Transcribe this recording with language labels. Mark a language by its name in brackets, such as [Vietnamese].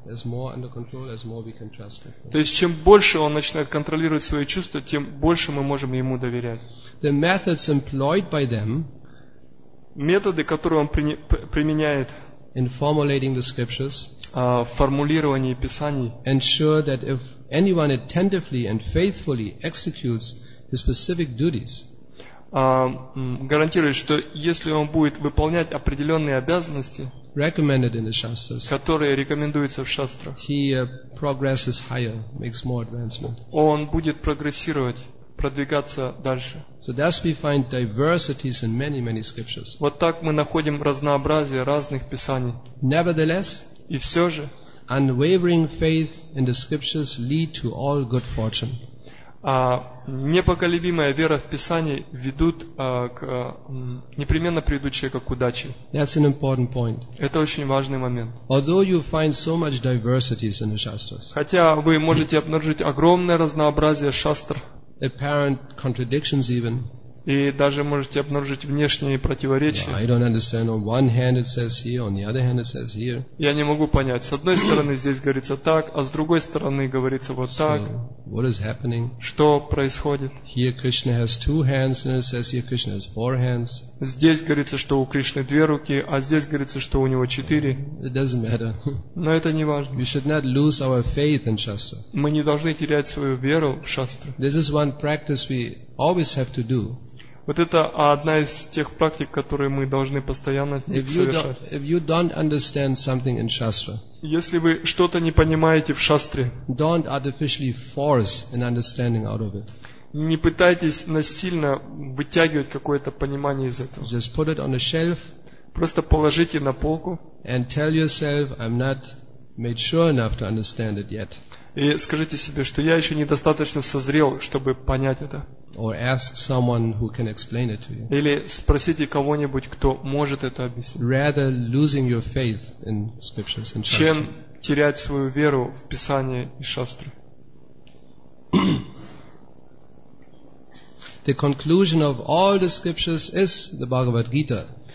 [English] As more under control, as more we can trust him. [Russian] То есть чем больше он начинает контролировать свои чувства, тем больше мы можем ему доверять. [English] The methods employed by them. [Russian] Методы, которые он применяет. [English] In formulating the scriptures. [Russian] В формулировании писаний. [English] Ensure that if anyone attentively and faithfully executes his specific duties. [Russian] Гарантирует, что если он будет выполнять определенные обязанности, [English] recommended in the shastras, [Russian] которые рекомендуются в шастрах, [English] he progresses higher, makes more advancement. [Russian] Он будет прогрессировать, продвигаться дальше. [English] So thus we find diversities in many, many scriptures. [Russian] Вот так мы находим разнообразие разных писаний. [English] Nevertheless, [Russian] и все же, [English] unwavering faith in the scriptures lead to all good fortune. [Russian] А непоколебимая вера в Писание ведут к непременно приведут человека к удаче. [English] That's an important point. [Russian] Это очень важный момент. [English] Although you find so much diversities in the shastras. [Russian] Хотя вы можете обнаружить огромное разнообразие шастр. [English] Apparent contradictions even. [Russian] И даже можете обнаружить внешние противоречия. [English] Yeah, I don't understand. On one hand it says here, on the other hand it says here. [Russian] Я не могу понять. С одной стороны здесь говорится так, а с другой стороны говорится вот так. [English] What is happening? [Russian] Что происходит? [English] Here Krishna has two hands, and it says here Krishna has four hands. [Russian] Здесь говорится, что у Кришны две руки, а здесь говорится, что у него четыре. [English] It doesn't matter. [Russian] Но это не важно. [English] We should not lose our faith in shastra. [Russian] Мы не должны терять свою веру в шастру. [English] This is one practice we always have to do. [Russian] Вот это одна из тех практик, которые мы должны постоянно совершать. Если вы что-то не понимаете в шастре, [English] don't artificially force an understanding out of it. [Russian] Не пытайтесь насильно вытягивать какое-то понимание из этого. [English] Just put it on a shelf. [Russian] Просто положите на полку. [English] And tell yourself, I'm not made sure enough to understand it yet. [Russian] И скажите себе, что я еще недостаточно созрел, чтобы понять это. [English] Or ask someone who can explain it to you. [Russian] Или спросите кого-нибудь, кто может это объяснить. [English] Rather losing your faith in scriptures and shastra. [Russian] Чем терять свою веру в Писание и шастры. [English] The conclusion of all the scriptures is the Bhagavad Gita.